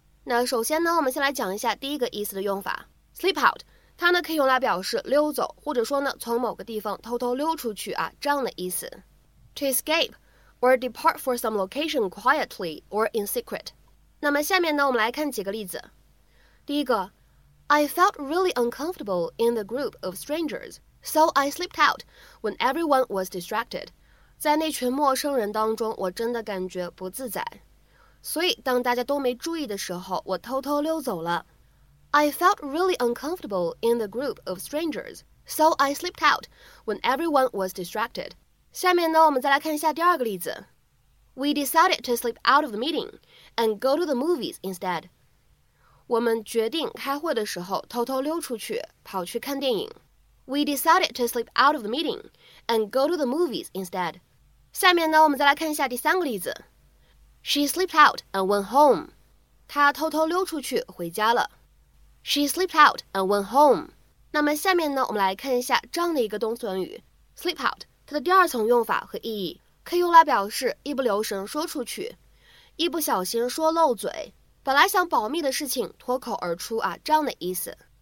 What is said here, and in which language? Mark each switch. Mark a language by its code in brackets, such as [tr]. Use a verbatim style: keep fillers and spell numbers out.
[zh] 那首先呢我们先来讲一下第一个意思的用法， sleep out 它呢可以用来表示溜走，或者说呢从某个地方偷偷溜出去啊这样的意思。 [en] To escape or depart for some location quietly or in secret。 [zh] 那么下面呢我们来看几个例子。第一个， [en] I felt really uncomfortable in the group of strangers. So I slipped out when everyone was distracted. [zh] 在那群陌生人当中，我真的感觉不自在，所以当大家都没注意的时候，我偷偷溜走了。 [en] I felt really uncomfortable in the group of strangers, so I slipped out when everyone was distracted. [zh] 下面呢，我们再来看一下第二个例子。 [en] We decided to sleep out of the meeting and go to the movies instead. [zh] 我们决定开会的时候偷偷溜出去，跑去看电影。 [en] We decided to sleep out of the meeting and go to the movies instead. [zh] 下面呢，我们再来看一下第三个例子。 [en] She slipped out and went home. [zh] 她偷偷溜出去回家了。 [en] She slipped out and went home. [zh] 那么下面呢，我们来看一下这样的一个动词短语 sleep out 它的第二层用法和意义，可以用来表示一不留神说出去，一不小心说漏嘴，本来想保密的事情脱口而出啊这样的意思。